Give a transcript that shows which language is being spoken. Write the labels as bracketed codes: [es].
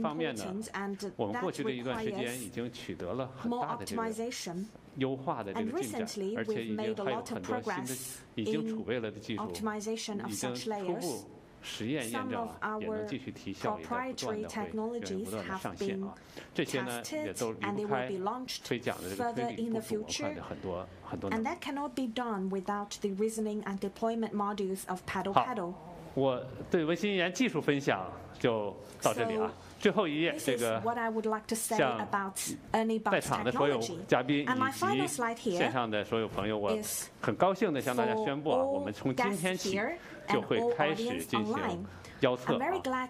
[zh] 这方面呢，我们过去的一段时间已经取得了很大的这个优化的这个进展，而且已经还有很多新的已经储备了的技术已经初步实验验证了，也能继续提效，也在不断的会源源不断的上线啊。这些呢也都离不开推讲的这个推理部署模块的很多很多。 [en] And that cannot be done without the reasoning and deployment modules of Paddle Paddle。 [zh] 我对文心言技术分享就到这里啊。最后一页，这个向在场的所有嘉宾以及线上的所有朋友，我很高兴地向大家宣布啊，我们从今天起就会开始进行邀测啊。